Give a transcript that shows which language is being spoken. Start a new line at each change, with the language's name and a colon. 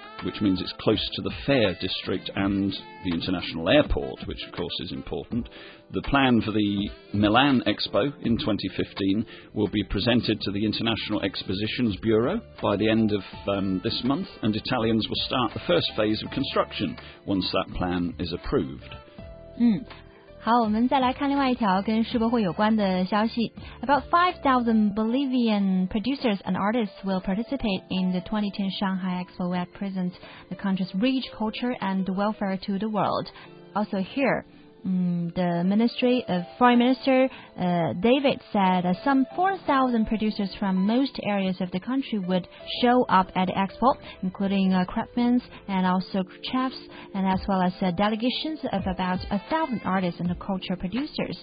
English: which means it's close to the fair district and the international airport, which of course is important. The plan for the Milan Expo in 2015 will be presented to the International Expositions Bureau by the end of this month, and Italians will start the first phase of construction once that plan is approved.
Chinese: 好，我们再来看另外一条跟世博会有关的消息。
English: About 5,000 Bolivian producers and artists will participate in the 2010 Shanghai Expo that presents the country's rich culture and welfare to the world. Also here, the Ministry of Foreign Minister David said that some 4,000 producers from most areas of the country would show up at the expo, including craftsmen and also chefs, and as well as delegations of about 1,000 artists and culture producers.